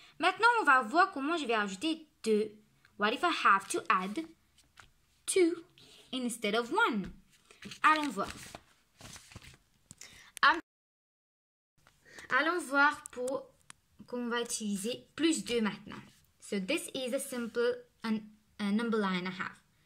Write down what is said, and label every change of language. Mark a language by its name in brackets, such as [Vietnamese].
[French] Maintenant, on va voir comment je vais ajouter 2. [English] What if I have to add 2 instead of 1? [French] Allons voir. Allons voir pour qu'on va utiliser plus 2 maintenant. [English] So, this is a simple a number line I have.